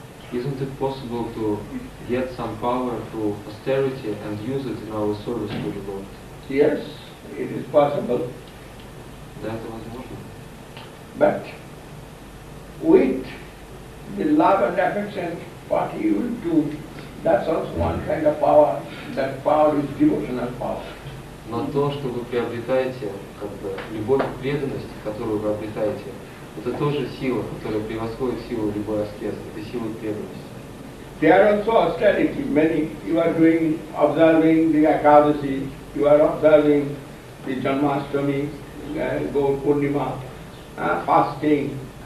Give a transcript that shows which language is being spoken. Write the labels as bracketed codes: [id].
[en] Isn't it possible to get some power through austerity and use it in our service to the Lord? Yes, it is possible. That was possible. But with the love and affection, what he will do, that's also one kind of power. That power is devotional power. [ru] Но то, что вы приобретаете, как бы, любовь и преданность, которую вы обретаете, это тоже сила, которая превосходит силу любой аскезы. Это сила преданности. [en] They are also austerity. Many you are doing, observing the Akadasi, you are observing the Janmashtami, Gaur Purnima, fasting.